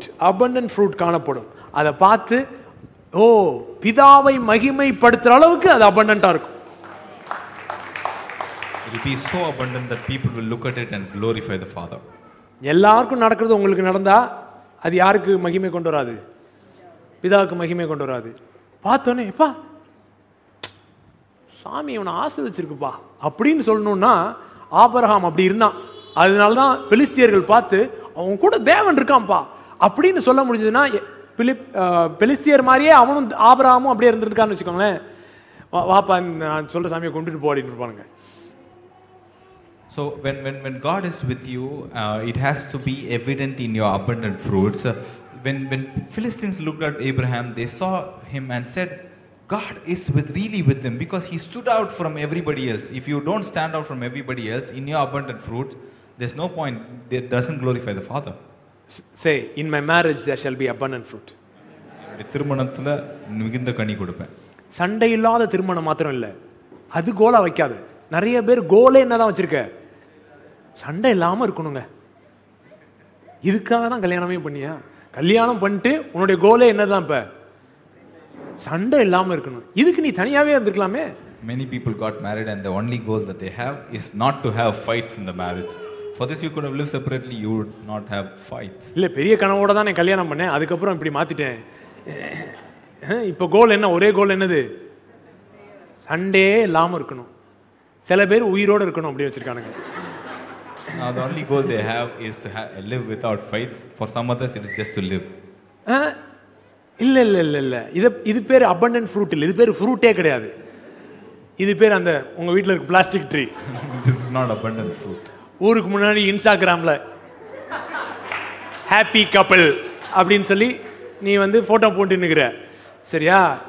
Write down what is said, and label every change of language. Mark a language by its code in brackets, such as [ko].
[ta] Abundant fruit காணப்படும். அதை பார்த்து ஓ பிதாவை மகிமைப்படுத்துகிற அளவுக்கு அது அபண்டண்டாக இருக்கும். [en] It will be so abundant that people will look at it and glorify the Father. [ta] எல்லாருக்கும் நடக்கிறது உங்களுக்கு நடந்தால் அது யாருக்கு மகிமை கொண்டு வராது? பிதாவுக்கு மகிமை கொண்டு வராது. பார்த்தோன்னே எப்பா சாமி உன்னை ஆசிர்வதிச்சிருக்குப்பா அப்படின்னு சொல்லணும்னா ஆபிரகாம் அப்படி இருந்தான். அதனால தான் பெலிஸ்தியர்கள் பார்த்து அவங்க கூட தேவன் இருக்கான்ப்பா அப்படின்னு சொல்ல முடிஞ்சதுன்னா பெலிஸ்தியர் மாதிரியே அவனும் ஆபிரகாமும் அப்படியே இருந்திருக்கான்னு வச்சுக்கோங்களேன். வாப்பா நான் சொல்கிற சாமியை கொண்டுட்டு போ அப்படின்னு இருப்பானுங்க. [en] So when God is with you, it has to be evident in your abundant fruits. When Philistines looked at Abraham, they saw him and said, God is really with them, because he stood out from everybody else. If you don't stand out from everybody else in your abundant fruit, there's no point. It doesn't glorify the Father. Say, in my marriage there shall be abundant fruit. [ta] திருமணத்துல மிகுந்த கனி கொடுப்பேன். சண்டை இல்லாத திருமணம் மாத்திரம் இல்ல, அது Cola வைக்காத. நிறைய பேர் கோலே என்னதான் வச்சிருக்க, சண்டை இல்லாம இருக்கணுங்க. இதுக்காக தான் கல்யாணமே பண்ணியா? கல்யாணம் பண்ணிட்டு உன்னுடைய கோலே என்னதான்? இப்ப சண்டை இல்லாம இருக்கணும். இதுக்கு நீ தனியாவே வந்திருக்கலாமே. [en] Many people got married and the only goal that they have is not to have fights in the marriage. For this you could have lived separately, you would not have fights. [ta] இல்ல பெரிய கனவோட தான் நான் கல்யாணம் பண்ணேன், அதுக்கு அப்புறம் இப்படி மாத்திட்டேன். இப்ப கோல் என்ன? ஒரே கோல் என்னது? சண்டையே இல்லாம இருக்கணும். சில பேர் உயிரோட இருக்கணும் அப்படி வச்சிருக்கானுங்க. [en] Now the only goal they have is to live without fights. For some others it is just to live. [ta] இல்லை இல்லை இல்லை இல்லை, இது இது பேர் அபண்டன்ட் ஃப்ரூட் இல்லை, இது பேர் ஃப்ரூட்டே கிடையாது. இது பேர் அந்த உங்கள் வீட்டில் இருக்க plastic tree. [en] This is not abundant fruit. [ta] ஊருக்கு முன்னாடி இன்ஸ்டாகிராமில் ஹாப்பி கப்பிள் அப்படின்னு சொல்லி நீ வந்து ஃபோட்டோ போட்டு நிற்கிற, சரியா?